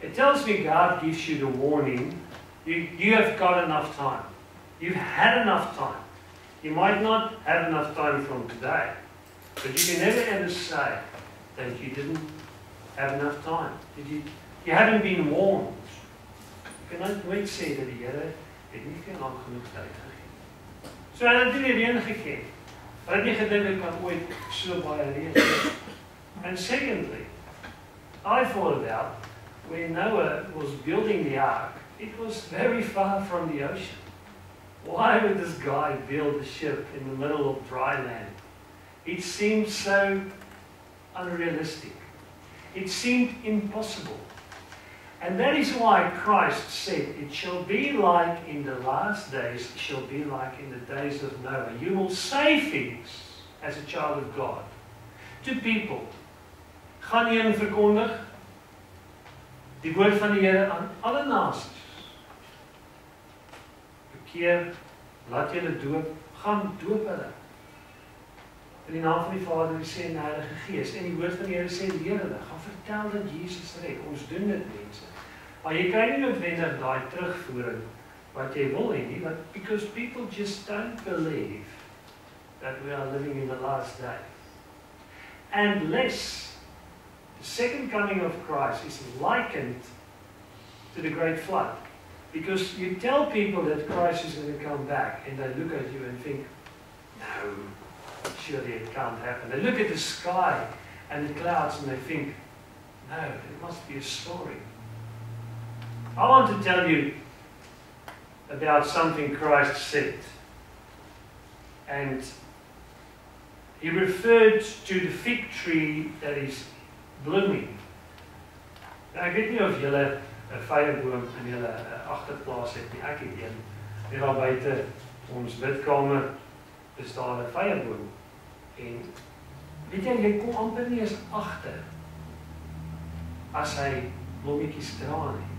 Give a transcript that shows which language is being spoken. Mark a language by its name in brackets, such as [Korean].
[English] It tells me God gives you the warning. You have got enough time. You've had enough time. You might not have enough time from today, but you can never ever say that you didn't have enough time. Did you? You haven't been warned. [Afrikaans] En dan moet sê dat die Here het nie vir lank genoeg tyd gegee. So hy het nie reën gegee. Hy het nie gedink hy kan ooit so baie reën hê. [English] And secondly, I thought about when Noah was building the ark, it was very far from the ocean. Why would this guy build a ship in the middle of dry land? It seemed so unrealistic. It seemed impossible. And that is why Christ said, it shall be like in the last days, it shall be like in the days of Noah. You will say things as a child of God to people. [Afrikaans] Ga nie en verkondig die woord van die Here aan alle nasies. Bekeer, laat julle doop, gaan doop hulle. In die naam van die Vader, die Seun en die Heilige Gees. En die woord van die Here sê, leer hulle, gaan vertel dat Jesus red. Ons doen dit, mense. Maar jy kry nie noodwendig daai terugvoering wat jy wil hê nie, [English] because people just don't believe that we are living in the last days. And less, the second coming of Christ is likened to the great flood. Because you tell people that Christ is going to come back, and they look at you and think, no, surely it can't happen. They look at the sky and the clouds and they think, no, it must be a story. I want to tell you about something Christ said. And he referred to the fig tree that is blooming. [Afrikaans] Now, ek weet nie of julle 'n vyerboom in julle agterplaas het nie. Ek het een. Hier daar buite ons bidkamer is daar 'n vyerboom. En weet jy, jy kom amper nie eens agter as hy blommetjies dra nie.